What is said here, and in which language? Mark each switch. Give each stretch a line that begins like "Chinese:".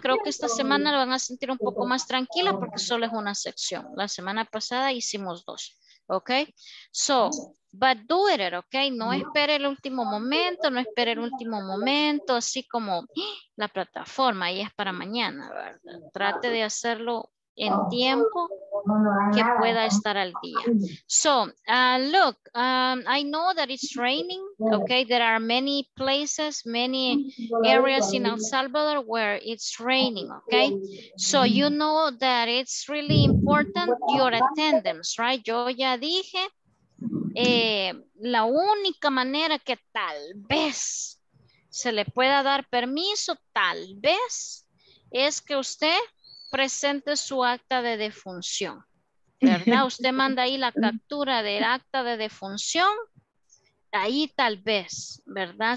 Spanish: Creo que esta semana lo van a sentir un poco más tranquila porque solo es una sección. La semana pasada hicimos dos, ¿ok? So,
English: But do it,
Spanish: ok. No espere el último momento, no espere el último momento, así como la plataforma, y es para mañana, ¿verdad? Trate de hacerlo en tiempo que pueda estar al día.
English: So, look, I know that it's raining, ok. There are many places, many areas in El Salvador where it's raining, ok. So, you know that it's really important your attendance, right?
Spanish: Yo ya dije. La única manera que tal vez se le pueda dar permiso, tal vez, es que usted presente su acta de defunción, ¿verdad? Usted manda ahí la captura del acta de defunción, ahí tal vez, ¿verdad?